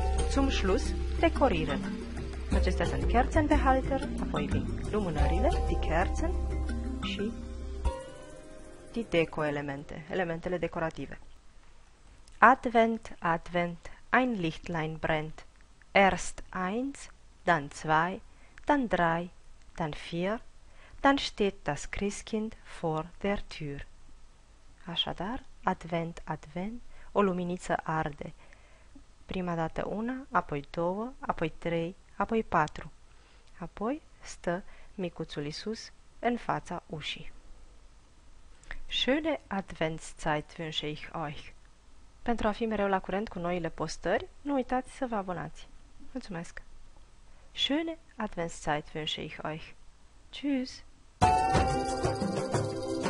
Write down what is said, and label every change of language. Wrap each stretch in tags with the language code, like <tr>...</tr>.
<de>Zum Schluss dekorieren.</de> <ro>Acestea sunt kerzen de halter, apoi vin lumânările, die kerzen și die deco-elemente, elementele decorative.</ro> <de>Advent, Advent, ein Lichtlein brennt. Erst eins, dann zwei, dann drei, dann vier, dann steht das Christkind vor der Tür.</de> <ro>Așadar, Advent, Advent, o luminiță arde. Prima dată una, apoi două, apoi trei, apoi patru. Apoi stă micuțul Iisus în fața ușii.</ro> <de>Schöne Adventszeit wünsche ich euch!</de> <ro>Pentru a fi mereu la curent cu noile postări, nu uitați să vă abonați. Mulțumesc!</ro> <de>Schöne Adventszeit wünsche ich euch! Tschüss!</de>